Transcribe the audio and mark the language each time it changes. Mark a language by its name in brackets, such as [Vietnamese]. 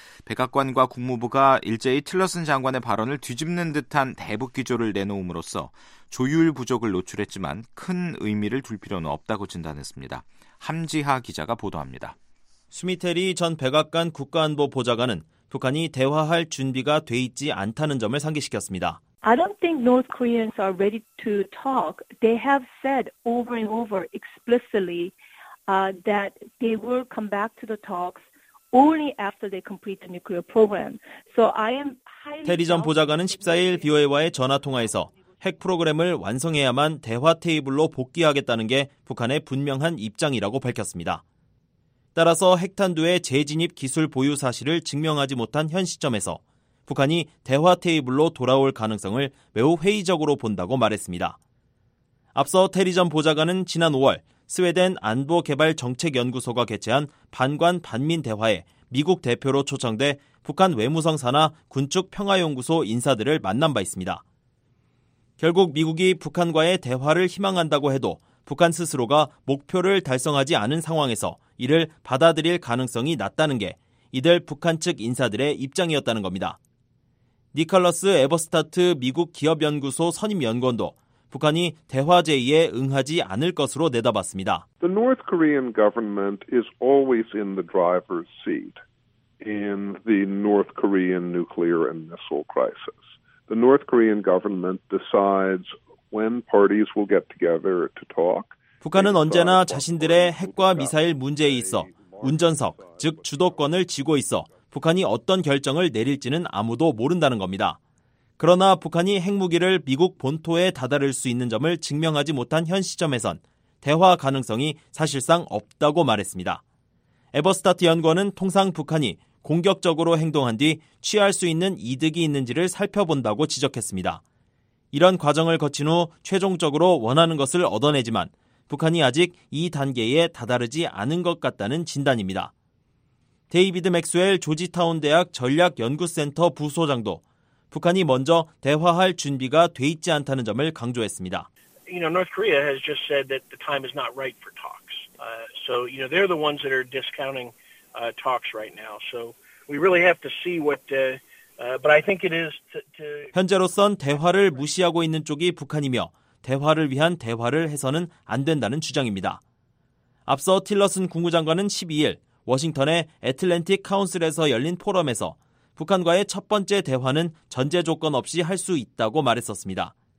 [Korean] 백악관과 국무부가 일제히 틸러슨 장관의 발언을 뒤집는 듯한 대북 기조를 내놓음으로써 조율 부족을 노출했지만 큰 의미를 둘 필요는 없다고 진단했습니다. 함지하 기자가 보도합니다. 스미테리 전 백악관 국가안보 보좌관은 북한이 대화할 준비가 돼 있지 않다는 점을 상기시켰습니다. [English] I don't think North Koreans are ready to talk. They have said over and over explicitly that they will come back to the talks only after they complete the nuclear program. So I am highly. [Korean] 테리 전 보좌관은 14일 BOA와의 전화 통화에서 핵 프로그램을 완성해야만 대화 테이블로 복귀하겠다는 게 북한의 분명한 입장이라고 밝혔습니다. 따라서 핵탄두의 재진입 기술 보유 사실을 증명하지 못한 현 시점에서 북한이 대화 테이블로 돌아올 가능성을 매우 회의적으로 본다고 말했습니다. 앞서 테리 전 보좌관은 지난 5월 스웨덴 안보개발정책연구소가 개최한 반관 반민 대화에 미국 대표로 초청돼 북한 외무성 산하 군축평화연구소 인사들을 만난 바 있습니다. 결국 미국이 북한과의 대화를 희망한다고 해도 북한 스스로가 목표를 달성하지 않은 상황에서 이를 받아들일 가능성이 낮다는 게 이들 북한 측 인사들의 입장이었다는 겁니다. 니컬러스 에버스타트 미국 기업연구소 선임연구원도 북한이 대화 제의에 응하지 않을 것으로 내다봤습니다. [English] The North Korean government is always in the driver's seat in the North Korean nuclear and missile crisis. The North Korean government decides when parties will get together to talk. [Korean] 북한은 언제나 자신들의 핵과 미사일 문제에 있어 운전석, 즉 주도권을 쥐고 있어 북한이 어떤 결정을 내릴지는 아무도 모른다는 겁니다. 그러나 북한이 핵무기를 미국 본토에 다다를 수 있는 점을 증명하지 못한 현 시점에선 대화 가능성이 사실상 없다고 말했습니다. 에버스타트 연구원은 통상 북한이 공격적으로 행동한 뒤 취할 수 있는 이득이 있는지를 살펴본다고 지적했습니다. 이런 과정을 거친 후 최종적으로 원하는 것을 얻어내지만 북한이 아직 이 단계에 다다르지 않은 것 같다는 진단입니다. 데이비드 맥스웰 조지타운 대학 전략연구센터 부소장도 북한이 먼저 대화할 준비가 돼 있지 않다는 점을 강조했습니다. [English] You know, North Korea has just said that the time is not right for talks. So, you know, they're the ones that are discounting talks right now. So, we really have to see what but I think it is to [Korean] 현재로선 대화를 무시하고 있는 쪽이 북한이며 대화를 위한 대화를 해서는 안 된다는 주장입니다. 앞서 틸러슨 국무장관은 12일 워싱턴의 애틀랜틱 카운슬에서 열린 포럼에서 북한과의 첫 번째 대화는 전제 조건 없이 할 수 있다고 말했었습니다.